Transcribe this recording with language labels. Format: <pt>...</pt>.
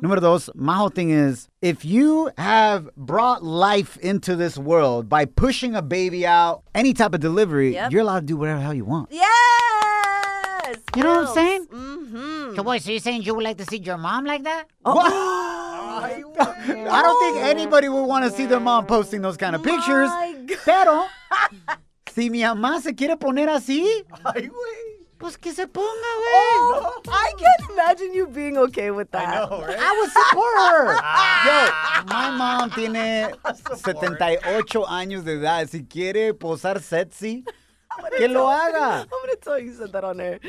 <en>Number dos, my whole thing is, if you have brought life into this world by pushing a baby out, any type of delivery, you're allowed to do whatever the hell you want. Yes! You know what I'm saying? Mm-hmm. So, boy, so you're saying you would like to see your mom like that? Oh. What? I don't think anybody would want to see their mom posting those kind of pictures.</en> <es>Pero, si mi mamá se quiere poner así, ay, güey. Pues que se ponga,</es> <en>I can't imagine you being okay with that. I know, right? I would support her. Yo, my mom</en> <es>tiene 78 años de edad. Si quiere posar sexy, que lo haga.</es> <en>I'm going to tell you said that on air.</en>